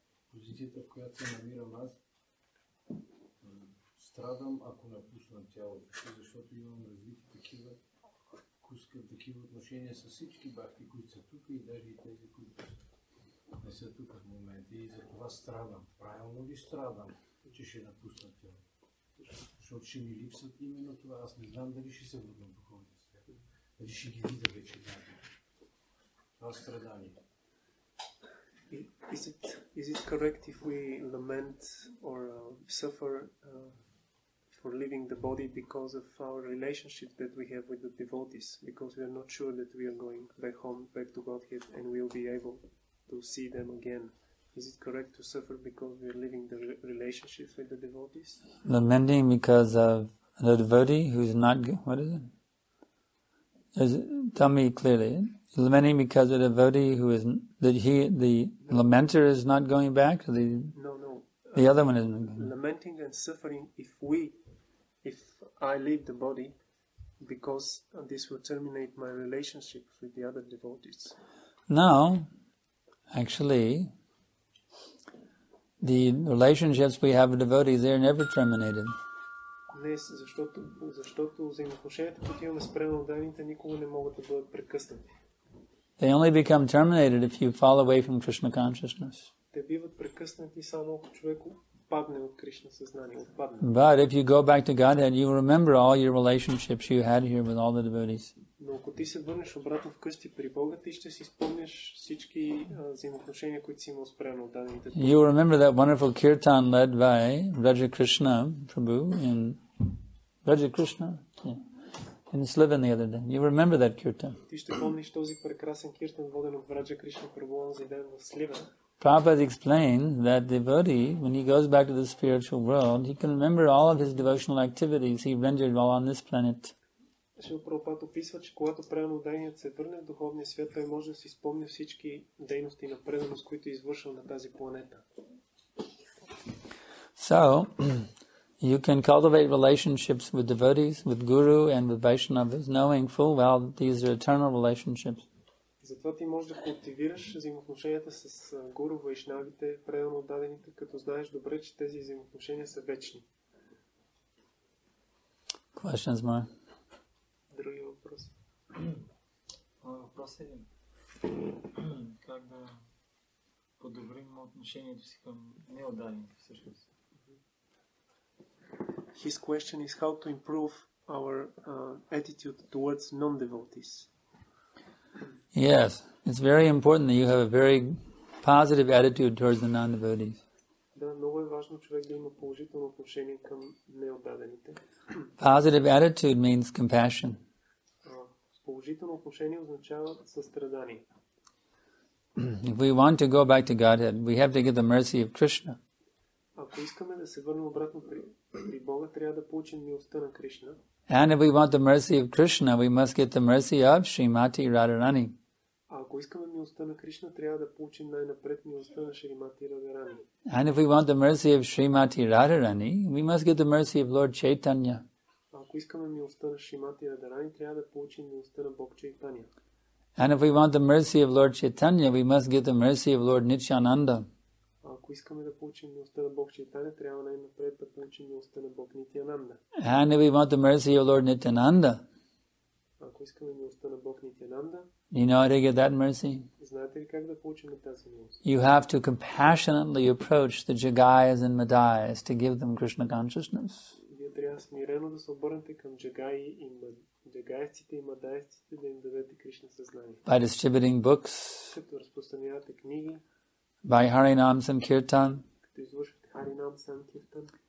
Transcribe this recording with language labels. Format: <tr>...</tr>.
<bg>Позицията, в която се намирам аз, страдам, ако напусна тялото, защото имам развити такива, такива отношения с всички бахти, които са тук и даже и тези, които не са тук в момента. И за това страдам. Правилно ли страдам, че ще напусна тялото? Защото ще ми липсват именно това. Аз не знам дали ще се върна в духовния свят, дали ще ги видя вече някъде. Това страдание.</bg> <en>Is it correct if we lament or suffer for leaving the body because of our relationship that we have with the devotees, because we are not sure that we are going back home, back to Godhead, and we will be able to see them again? Is it correct to suffer because we are leaving the relationship with the devotees? Lamenting because of the devotee who's not... What is it? Tell me clearly. Lamenting because of the devotee who is... lamenter is not going back? No. The other one isn't. Lamenting and suffering if I leave the body, because this will terminate my relationship with the other devotees. No. Actually, the relationships we have with devotees, they are never terminated.</en> <bg>Днес, защото взаимоотношенията, които имаме с преданоотдадените, никога не могат да бъдат прекъснати.</bg> <en>They only become terminated if you fall away from Krishna consciousness.</en> <bg>Те биват прекъснати само ако човек падне от Кришна съзнание, отпадне.</bg> <en>But if you go back to Godhead, you remember all your relationships you had here with all the devotees.</en> <bg>Но ако ти се върнеш обратно вкъщи при Бога, ти ще си спомнеш всички взаимоотношения, които си имал с преданоотдадените.</bg> <en>You remember that wonderful kirtan led by Raja Krishna Prabhu in Raja Krishna? Yeah. In Sliven the other day. You remember that kirtan?</en> <bg>Ти ще помниш този прекрасен киртан, воден от Раджа Кришна Прабу онзи ден в Сливен.</bg> <en>Prabhupada explained that the devotee, when he goes back to the spiritual world, he can remember all of his devotional activities he rendered while on this planet.</en> <bg>Прабхупада описва, че когато преданоотдаденият се върне в духовния свят, той може да си спомни всички дейности на преданост, които е извършил на тази планета.</bg> <en>So, you can cultivate relationships with devotees, with guru and with Vaishnavas, knowing full well that these are eternal relationships.</en> <bg>Затова ти можеш да култивираш взаимоотношенията с гуру, вайшнавите, преданоотдадените, като знаеш добре, че тези взаимоотношения са вечни.</bg> <en>Questions more?</en> <bg>Други въпроси? Въпрос е как да подобрим отношението си към неотдадените всъщност.</bg> <en>His question is how to improve our attitude towards non-devotees. Yes, it's very important that you have a very positive attitude towards the non-devotees.</en> <bg>Да, много е важно човек да има положително отношение към неотдадените.</bg> <en>Positive attitude means compassion.</en> <bg>Положително отношение означава състрадание.</bg> <en>If we want to go back to Godhead, we have to get the mercy of Krishna.</en> <bg>Ако искаме да се върнем обратно при Бога, трябва да получим милостта на Кришна.</bg> <en>And if we want the mercy of Krishna, we must get the mercy of Srimati Radharani.</en> <bg>Ако искаме милостта на Кришна, трябва да получим най-напред милостта на Шримати Радарани.</bg> <en>And if we want the mercy of Srimati Radharani, we must get the mercy of Lord Chaitanya.</en> <bg>Ако искаме милостта на Шримати Радарани, трябва да получим милостта на Бог Чайтанья.</bg> <en>And if we want the mercy of Lord Chaitanya, we must get the mercy of Lord Nityananda.</en> <bg>Ако искаме да получим милостта на Бог Чайтанья, трябва най-напред да получим милостта на Бог Нитянанда.</bg> <en>And if we want the mercy of Lord Nityananda,</en> <bg>ако искаме милостта на Бог Нитянанда,</bg> <en>you know how to get that mercy?</en> <bg>Знаете ли как да получим тази милост?</bg> <en>You have to compassionately approach the Jagayas and Madayas to give them Krishna consciousness.</en> <bg>Вие трябва смирено да се обърнете към Джагайците и Мадайците да им дадете Кришна съзнание.</bg> <en>By distributing books,</en> <bg>като разпространявате книги,</bg> <en>by Harinam Sankirtan,</en> <bg>като извършвате Харинам Санкиртан,</bg>